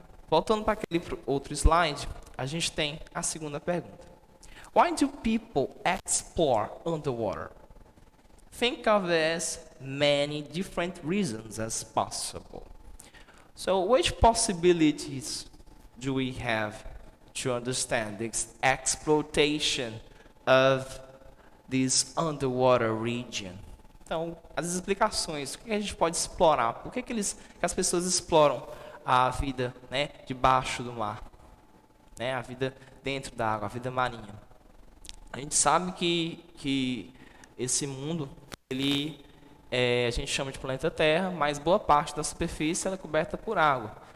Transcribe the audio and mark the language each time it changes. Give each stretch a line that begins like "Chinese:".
Portuguese: Voltando para aquele outro slide, a gente tem a segunda pergunta.
English: Why do people explore underwater? Think of as many different reasons as possible. So, which possibilities do we have to understand this exploitation of this underwater region?
Portuguese: Então, as explicações, o que a gente pode explorar? Por que que as pessoas exploram a vida, né, debaixo do mar? Né, a vida dentro da água, a vida marinha. A gente sabe que esse mundo, a gente chama de planeta Terra, mas boa parte da superfície ela é coberta por água.